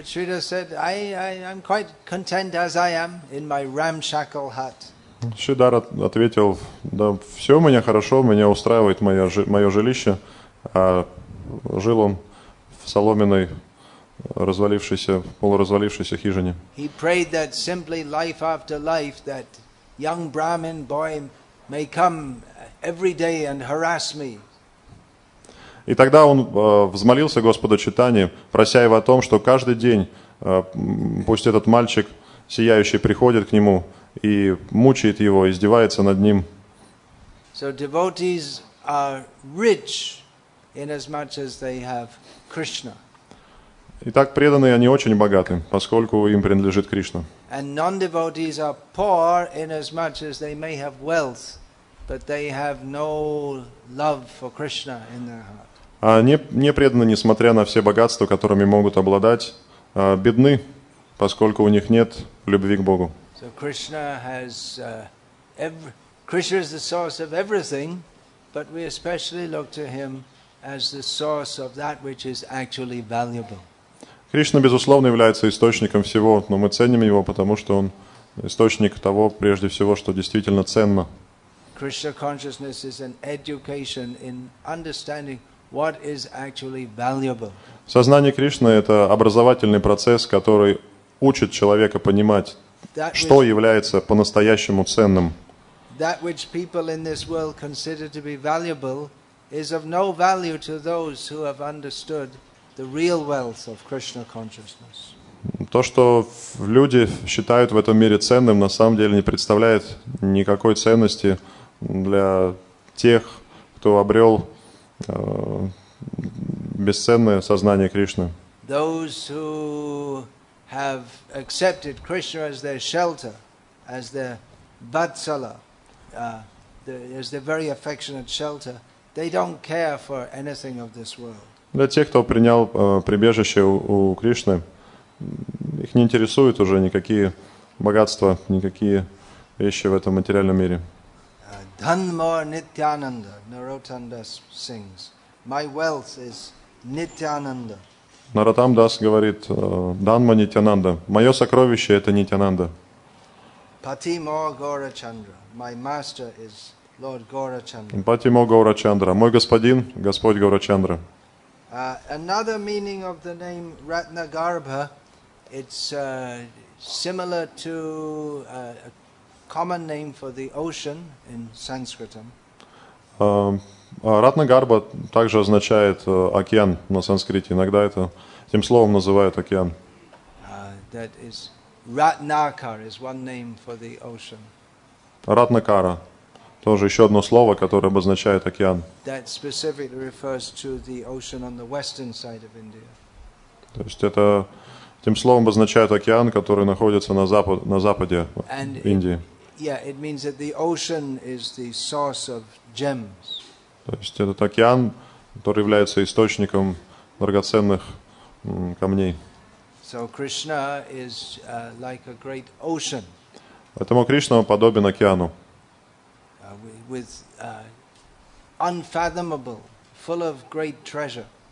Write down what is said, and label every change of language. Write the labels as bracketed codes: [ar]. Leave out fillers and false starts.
[en] Шридхар said, I'm quite content as I am in my ramshackle hut. [ru] Шридхар ответил: да, все у меня хорошо, меня устраивает мое жилище, а жил он в соломенной, полуразвалившейся хижине. [en] He prayed that simply life after life, that young Brahmin boy may come every day and harass me. [ru] И тогда он взмолился Господу Чайтанье, прося его о том, что каждый день пусть этот мальчик сияющий приходит к нему и мучает его, издевается над ним. [en] So devotees are rich in as much as they have Krishna. [ru] Итак, преданные, они очень богаты, поскольку им принадлежит Кришна. [en] And non-devotees are poor in as much as they may have wealth, but they have no love for Krishna in their heart. [ru] А не преданные, несмотря на все богатства, которыми могут обладать, бедны, поскольку у них нет любви к Богу. [en] So Krishna has Krishna is the source of everything, but we especially look to him as the source of that which is actually valuable. [ru] Кришна безусловно является источником всего, но мы ценим его, потому что он источник того, прежде всего, что действительно ценно. [en] Krishna consciousness is an education in understanding what is actually valuable. [ru] Сознание Кришны – это образовательный процесс, который учит человека понимать, [en] that [ru] что [en] which, [ru] является по-настоящему ценным. [en] That which people in this world consider to be valuable is of no value to those who have understood the real wealth of Krishna consciousness. [ru] То, что люди считают в этом мире ценным, на самом деле не представляет никакой ценности для тех, кто обрел бесценное сознание Кришны. [en] Those who have accepted Krishna as their shelter, as their vatsala, as their very affectionate shelter, they don't care for anything of this world. [ru] Для тех, кто принял прибежище у Кришны, их не интересуют уже никакие богатства, никакие вещи в этом материальном мире. [bn] Dhanmor Nityananda, [en] Narottamdas sings. My wealth is Nityananda. [ru] Narottamdas говорит, [bn] Dhanma Nityananda. [ru] Мое сокровище это Нитянанда. [bn] Patimor Gaurachandra. [en] My master is Lord Gaurachandra. [bn] Patimor Gaurachandra. [ru] Мой господин, Господь Гаурачандра. [en] Another meaning of the name Ratnagarbha, it's similar to a common name for the ocean in Sanskrit. [ru] Ratnagarbha также означает океан на санскрите. Иногда это тем словом называют океан. [en] That is Ratnakara is one name for the ocean. [ru] Ratnakara тоже еще одно слово, которое обозначает океан. [en] That specifically refers to the ocean on the western side of India. [ru] То есть это тем словом обозначает океан, который находится на западе Индии. [en] Yeah, it means that the ocean is the source of gems. [ru] То есть этот океан, который является источником драгоценных камней. [en] So Krishna is like a great ocean. [ru] Поэтому Кришна подобен океану. [en] With unfathomable, full of great treasure.